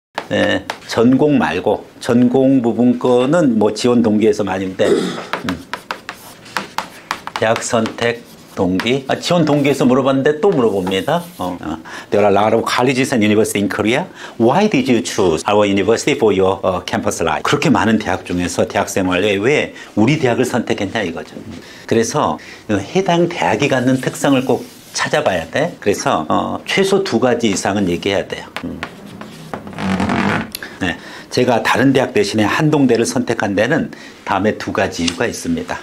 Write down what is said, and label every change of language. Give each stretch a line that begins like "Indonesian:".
Korean: 네, 전공 말고 전공 부분 거는 뭐 지원 동기에서 많은데 대학 선택 동기? 아, 지원 동기에서 물어봤는데 또 물어봅니다.
English: There are a lot of colleges and universities in Korea. Why did you choose our university for your campus life?
Korean: 그렇게 많은 대학 중에서 대학생활에 왜 우리 대학을 선택했냐 이거죠. 그래서 해당 대학이 갖는 특성을 꼭 찾아봐야 돼. 그래서 최소 두 가지 이상은 얘기해야 돼요. 네, 제가 다른 대학 대신에 한동대를 선택한 데는 다음에 두 가지 이유가 있습니다.